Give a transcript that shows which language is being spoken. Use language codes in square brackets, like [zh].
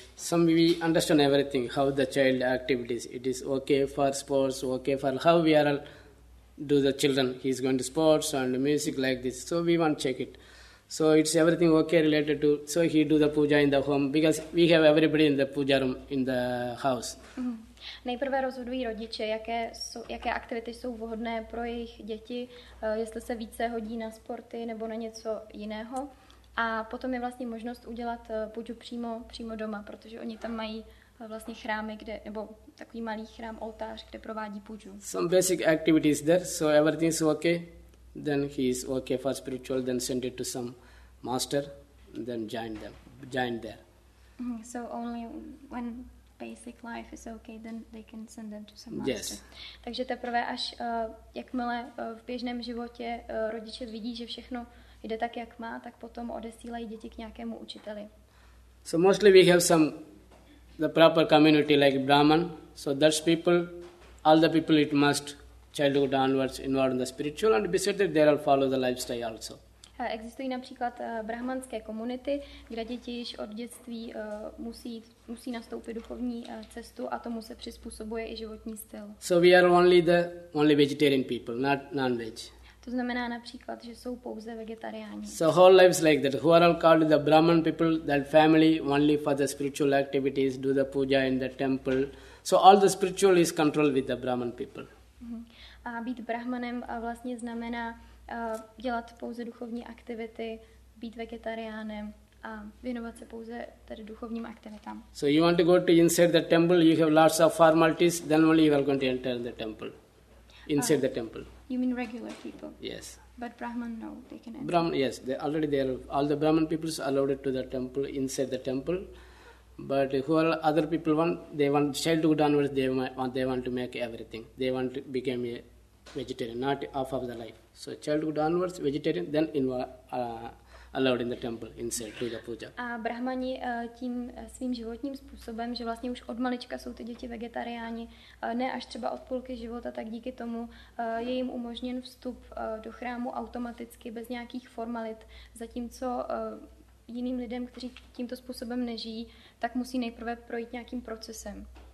[en] Some we understand everything how the child activities. It is okay for sports, okay for how we are all do the children. He is going to sports and music like this. So we want to check it. So it's everything okay related to, so he do the puja in the home because we have everybody in the puja room in the house. Mm-hmm. [cs] Nejprve rozhodují rodiče, jaké aktivity jsou vhodné pro jejich děti, jestli se více hodí na sporty nebo na něco jiného. A potom je vlastně možnost udělat puju přímo doma, protože oni tam mají vlastně chrámy, kde, nebo takový malý chrám, oltář, kde provádí puju. [en] Some basic activities there, so everything is okay. Then he is okay for spiritual, then send it to some master, then join there. So only when basic life is okay, then they can send them to some master. Yes. [cs] Takže teprve až jakmile v běžném životě rodiče vidí, že všechno jde tak, jak má, tak potom odesílají děti k nějakému učiteli. [en] So mostly we have the proper community like Brahman, so that's people, all the people it must childhood onwards involved in the spiritual and besides that they all follow the lifestyle also. [cs] Existují například brahmanské komunity, kde děti již od dětství musí nastoupit duchovní cestu a tomu se přizpůsobuje i životní styl. [en] So we are only the only vegetarian people, not non-veg. [cs] To znamená například, že jsou pouze vegetariáni. [en] So whole lives like that. Who are all called the Brahman people, that family only for the spiritual activities, do the puja in the temple. So all the spiritual is controlled with the Brahman people. [cs] A být brahmanem vlastně znamená dělat pouze duchovní aktivity, být vegetariánem a věnovat se pouze tady duchovním aktivitám. [en] So you want to go to inside the temple, you have lots of formalities, then only you are going to enter the temple. Inside the temple. You mean regular people? Yes. But Brahman, no, they can enter. Brahman, yes, they already there. All the Brahman people are allowed to the temple, inside the temple. But who are other people want? They want childhood onwards, they want to make everything. They want to become a vegetarian, not half of the life. So childhood onwards, vegetarian, then allowed in the temple, inside, to the puja. [cs] A brahmani tím svým životním způsobem, že vlastně už od malička jsou ty děti vegetariáni, ne až třeba od půlky života, tak díky tomu je jim umožněn vstup do chrámu automaticky, bez nějakých formalit, zatímco jiným lidem, kteří tímto způsobem nežijí, tak musí nejprve projít nějakým procesem.